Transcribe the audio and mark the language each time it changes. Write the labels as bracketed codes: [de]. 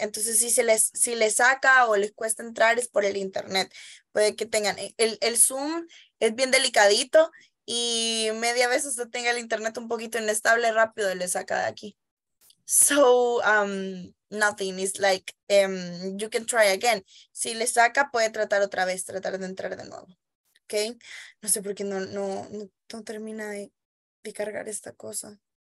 [es] Entonces si les saca o les cuesta entrar es por el internet. Puede que tengan el Zoom es bien delicadito, y media vez usted tenga el internet un poquito inestable, rápido le saca de aquí. [en] So nothing is like you can try again. [es] Si le saca, puede tratar otra vez, tratar de entrar de nuevo. Okay. No sé por qué no termina de cargar esta cosa.